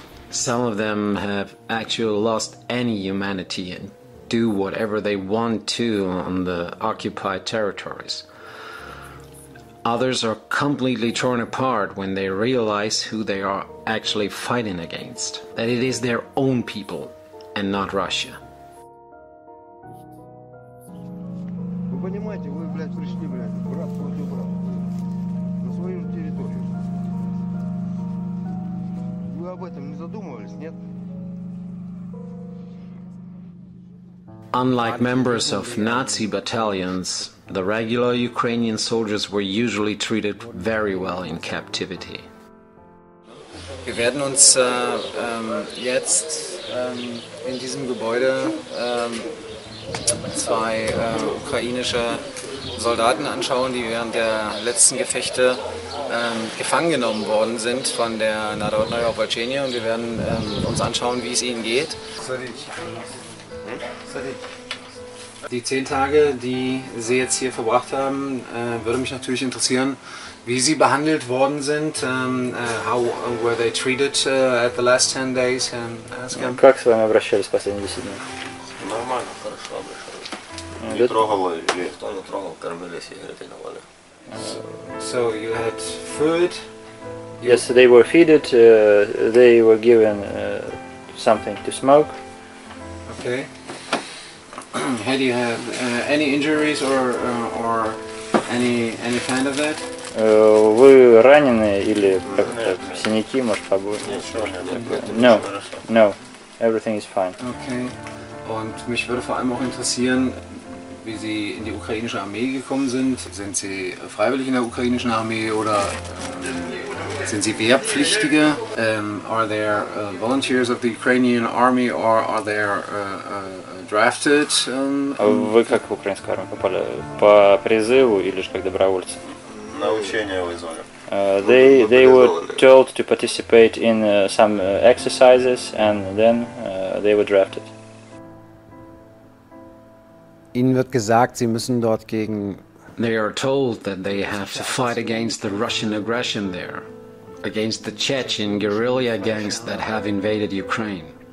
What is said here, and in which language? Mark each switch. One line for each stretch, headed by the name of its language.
English: Some of them have actually lost any humanity and do whatever they want to on the occupied territories. Others are completely torn apart when they realize who they are actually fighting against, that it is their own people and not Russia. Look
Russian: понимаете, вы, блядь, пришли, блядь, брат против брата. На свою же территорию. Вы об этом не задумывались, нет?
English: Unlike members of Nazi battalions, the regular Ukrainian soldiers were usually treated very well in captivity.
German: Wir werden uns jetzt in diesem Gebäude zwei ukrainische Soldaten anschauen, die während der letzten Gefechte gefangen genommen worden sind von der Narodnaya Oblachenia, und wir werden uns anschauen, wie es ihnen geht. Die 10 Tage, die Sie jetzt hier verbracht haben, würde mich natürlich interessieren, wie Sie behandelt worden sind.
English: How were they treated at the last 10 days?
Russian: Как с вами обращались последние 10 дней? Нормально, хорошо обращались. Не трогало или кто не трогал, кормили сигаретами.
English: So you had food? Yes, they were fed. They were given something to smoke. Okay. Had you had any injuries or any kind of that?
Russian: Вы ранены или как-то синяки, может, побои?
English: No, everything is fine. Okay.
German: Und mich würde vor allem auch interessieren, wie Sie in die ukrainische Armee gekommen sind. Sind Sie freiwillig in der ukrainischen Armee oder sind Sie Wehrpflichtige?
English: Are there volunteers of the Ukrainian Army or are there drafted?
Russian: Вы как в украинскую армию попали? По призыву или же как добровольцы? На учения вызвали.
English: They were told to participate in some exercises and then they were drafted.
German: Ihnen wird gesagt, sie müssen dort gegen...
English: They are told that they have to fight against the Russian aggression there, against the Chechen guerrilla gangs that have invaded Ukraine.